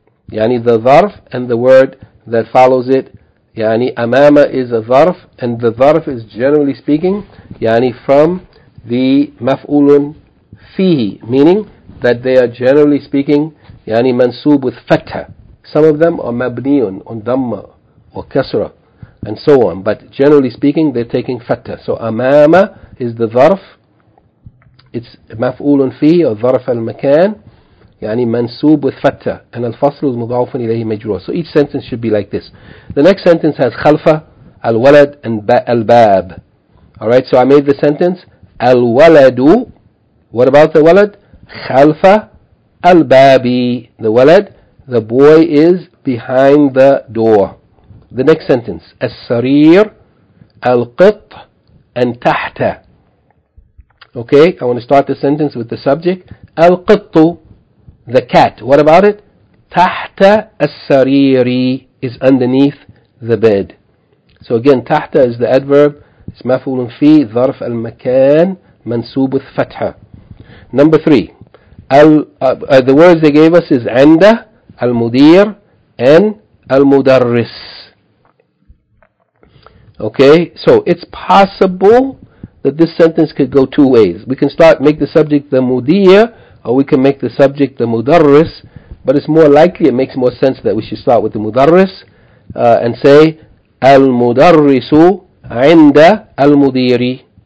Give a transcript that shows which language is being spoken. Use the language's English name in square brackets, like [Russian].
[English] يعني the ظرف and the word that follows it. يعني أمامة is a ظرف and the ظرف is generally speaking يعني from the مفعول فيه, meaning that they are generally speaking يعني منصوب with فتح. Some of them are مبنيون on ضمة or كسرة and so on. But generally speaking, they're taking fatah. So أمامة is the ظرف. [Arabic] It's مفعول فيه or ظرف المكان. يعني منصوب with فتح. And الفصل is مضاف إليه مجرور. [English] So each sentence should be like this. The next sentence has خلفة, الولد, and الباب. Alright, so I made the sentence. [Arabic] الولد. [English] What about the ولد? [Arabic] خلفة الباب. The ولد. [English] The boy is behind the door. The next sentence. [Arabic] السرير, القط, and تحت. [English] Okay, I want to start the sentence with the subject. القط, the cat. What about it? [Arabic] تحت السرير [English] is underneath the bed. So again, تحت is the adverb. [Arabic] It's مفعول في ظرف المكان منصوب with فتحة. [English] Number three. The words they gave us is عنده, المدير, and المدرس. Okay, so it's possible that this sentence could go two ways. We can start make the subject the مدير, or we can make the subject the مدرس, but it's more likely, it makes more sense that we should start with the مدرس and say [Arabic] المدرس عند المدير.